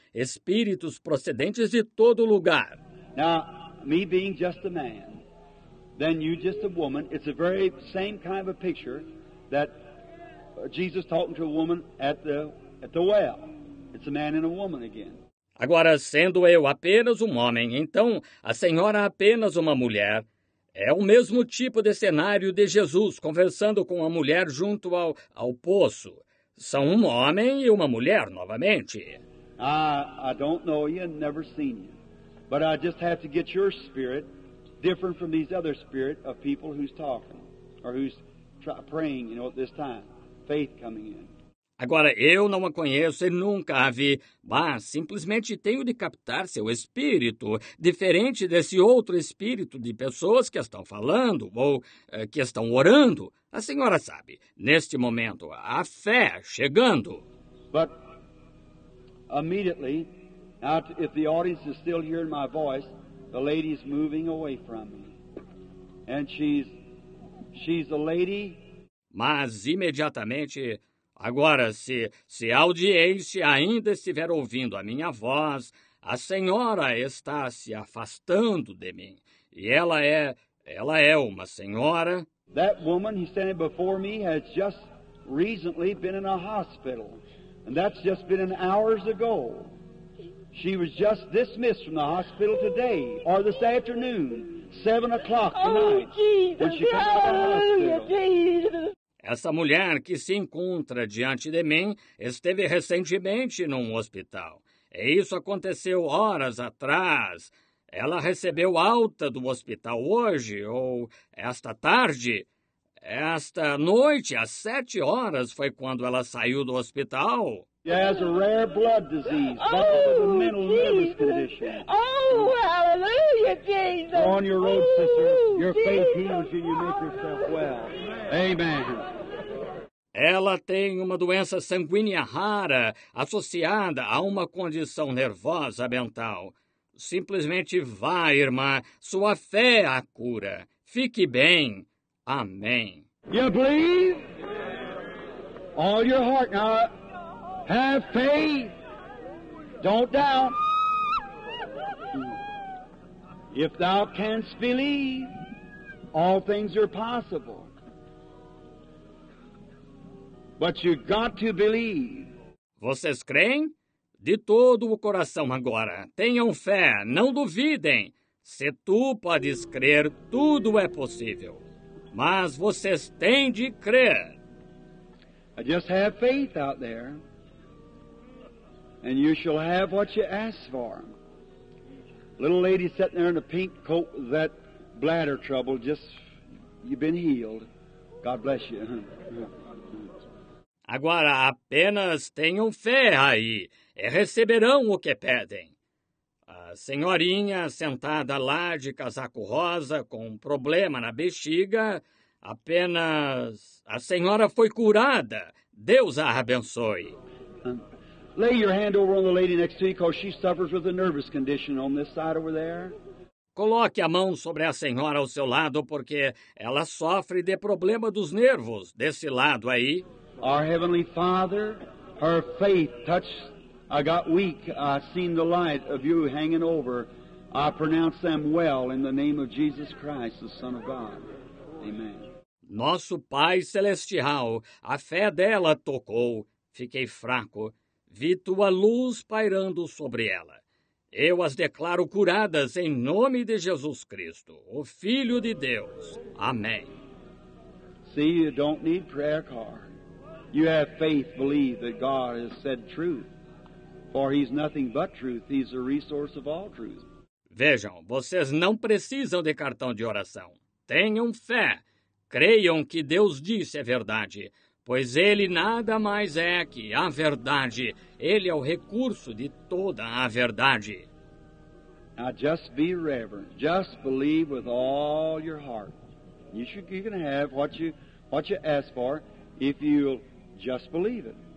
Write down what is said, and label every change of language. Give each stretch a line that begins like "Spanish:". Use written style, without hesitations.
Portuguese: Espíritos procedentes de todo lugar.
English: Now, me being just a man, then you just a woman, it's the very same kind of a picture that Jesus talking to a woman at the well. It's a man and a woman again.
Portuguese: Agora, sendo eu apenas um homem, então a senhora apenas uma mulher, é o mesmo tipo de cenário de Jesus conversando com a mulher junto ao poço. São um homem e uma mulher, novamente.
English: I don't know you, never seen you. But I just have to get your spirit different from these other spirit of people who's talking or who's praying, you know, at this time. Faith coming in.
Portuguese: Agora, eu não a conheço e nunca a vi, mas simplesmente tenho de captar seu espírito, diferente desse outro espírito de pessoas que estão falando ou que estão orando. A senhora sabe, neste momento, a fé chegando.
English: But immediately, now, if the audience is still hearing my voice, the lady is moving away from me. And she's a lady.
Portuguese: Mas imediatamente, agora, se a audiência ainda estiver ouvindo a minha voz, a senhora está se afastando de mim. E ela é uma senhora.
English: That woman who's standing before me has just recently been in a hospital. And that's just been an hours ago. She was just dismissed from the hospital today, or this afternoon, 7 o'clock tonight. Oh, Jesus! Hallelujah, Jesus!
Portuguese: Essa mulher que se encontra diante de mim esteve recentemente num hospital. E isso aconteceu horas atrás. Ela recebeu alta do hospital hoje, ou esta tarde. Esta noite, às 7 horas, foi quando ela saiu do hospital.
English: She has a rare blood disease, but with a mental illness condition. Oh, hallelujah, Jesus! Go on your road, sister. Your faith heals you and you make yourself well. Amen.
Portuguese: Ela tem uma doença sanguínea rara associada a uma condição nervosa mental. Simplesmente vá, irmã. Sua fé a cura. Fique bem. Amém.
English: You believe? All your heart now. Have faith. Don't doubt. If thou canst believe, all things are possible. But you got to believe.
Portuguese: Vocês creem? De todo o coração agora. Tenham fé, não duvidem. Se tu podes crer, tudo é possível. Mas vocês têm de crer.
English: I just have faith out there. And you shall have what you ask for. Little lady sitting there in a pink coat with that bladder trouble, just, you've been healed. God bless you.
Portuguese: Agora, apenas tenham fé aí e receberão o que pedem. A senhorinha sentada lá de casaco rosa com um problema na bexiga, apenas a senhora foi curada. Deus a abençoe.
English: Lay your hand over on the lady next to you, because she suffers with a nervous condition on this side over there.
Portuguese: Coloque a mão sobre a senhora ao seu lado, porque ela sofre de problema dos nervos desse lado aí.
English: Our Heavenly Father, her faith touched. I got weak. I seen the light of you hanging over. I pronounce them well in the name of Jesus Christ, the Son of God. Amen.
Portuguese: Nosso Pai Celestial, a fé dela tocou. Fiquei fraco. Vi tua luz pairando sobre ela. Eu as declaro curadas em nome de Jesus Cristo, o Filho de Deus. Amém.
English: See, you don't need prayer card. You have faith, believe that God has said truth. For he's nothing but truth. He's the resource of all truth.
Portuguese: Vejam, vocês não precisam de cartão de oração. Tenham fé. Creiam que Deus disse a verdade. Pois ele nada mais é que a verdade. Ele é o recurso de toda a verdade.
English: Now just be reverent. Just believe with all your heart. You can have what you ask for if you'll just believe it.